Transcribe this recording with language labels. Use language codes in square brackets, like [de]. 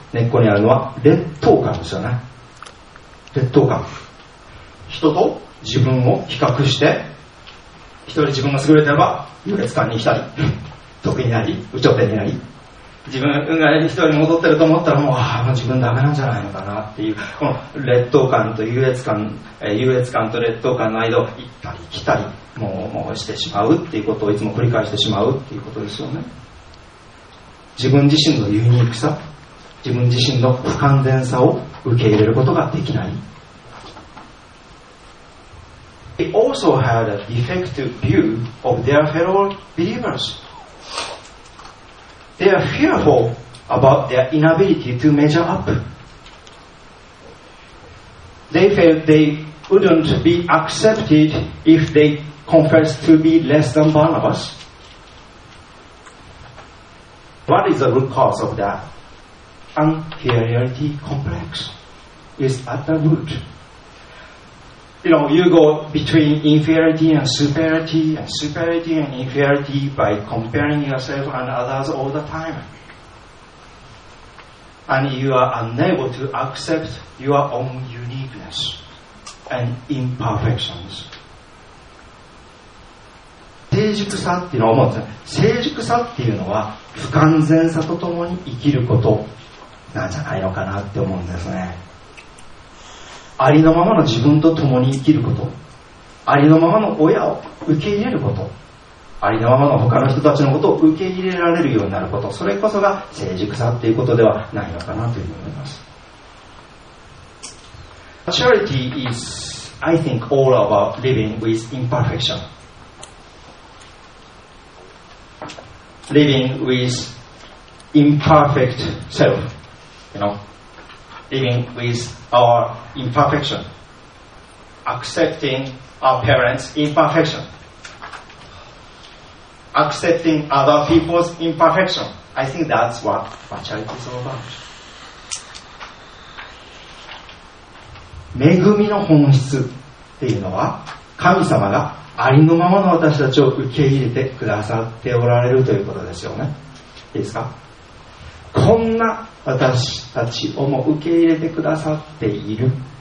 [ja] 根っこにあるのは劣等感ですよね。劣等感、人と自分を比較して、一人自分が優れてれば優劣感に浸り、得になり、有頂天になり、自分が一人戻ってると思ったら、もう、ああ、自分ダメなんじゃないのかなっていう、この劣等感と優越感、優越感と劣等感の間を行ったり来たり、もうしてしまうっていうことを、いつも繰り返してしまうっていうことですよね。自分自身のユニークさ、自分自身の不完全さを受け入れることができない。 [en] They also had a defective view of their fellow believers. They are fearful about their inability to measure up. They felt they wouldn't be accepted if they confessed to be less than Barnabas. What is the root cause of that? Inferiority complex is at the root. You know, you go between inferiority and superiority, and superiority and inferiority by comparing yourself and others all the time. And you are unable to accept your own uniqueness and imperfections. [ja] 成熟さっていうのは思うんですね。成熟さっていうのは不完全さとともに生きることなんじゃないのかなって思うんですね。ありのままの自分と共に生きること、ありのままの親を受け入れること、ありのままの他の人たちのことを受け入れられるようになること、それこそが成熟さっていうことではないのかなというふうに思います。 [en] Maturity is I think all about living with imperfection, living with imperfect self, you knowLiving with our imperfection, accepting our parents' imperfection, accepting other people's imperfection. I think that's what maturity is all about. [ja] 恵みの本質っていうのは、神様がありのままの私たちを受け入れてくださっておられるということですよね。いいですか。こんな私たちをも受け入れてくださっている。